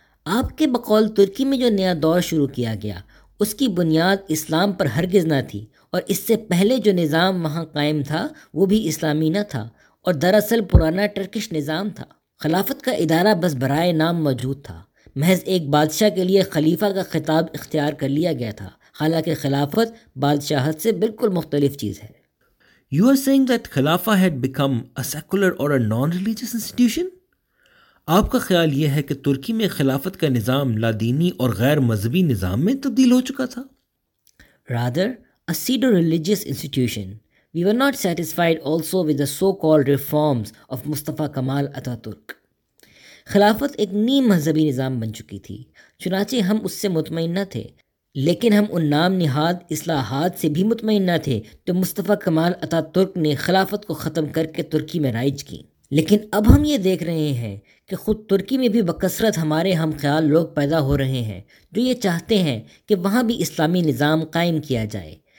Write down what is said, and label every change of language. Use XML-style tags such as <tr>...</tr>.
<ur>آپ کے بقول ترکی میں جو نیا دور شروع کیا گیا اس کی بنیاد اسلام پر ہرگز نہ تھی، اور اس سے پہلے جو نظام وہاں قائم تھا وہ بھی اسلامی نہ تھا اور دراصل پرانا ٹرکش نظام تھا۔ خلافت کا ادارہ بس برائے نام موجود تھا، محض ایک بادشاہ کے لیے خلیفہ کا خطاب اختیار کر لیا گیا تھا، حالانکہ خلافت بادشاہت سے بالکل مختلف چیز ہے۔</ur> <en>You are saying that Khilafah had become a secular or a non-religious institution؟</en> <ur>آپ کا خیال یہ ہے کہ ترکی میں خلافت کا نظام لا دینی اور غیر مذہبی نظام میں تبدیل ہو چکا تھا؟</ur> <en>Rather, a pseudo-religious institution. We were not satisfied also with the so-called reforms of Mustafa Kemal Atatürk.</en> <ur>خلافت ایک نیم مذہبی نظام بن چکی تھی، چنانچہ ہم اس سے مطمئن نہ تھے، لیکن ہم ان نام نہاد اصلاحات سے بھی مطمئن نہ تھے تو مصطفیٰ کمال اتاترک نے خلافت کو ختم کر کے ترکی میں رائج کی۔ لیکن اب ہم یہ دیکھ رہے ہیں کہ خود ترکی میں بھی بکثرت ہمارے ہم خیال لوگ پیدا ہو رہے ہیں جو یہ چاہتے ہیں کہ وہاں بھی اسلامی نظام قائم کیا جائے۔</ur>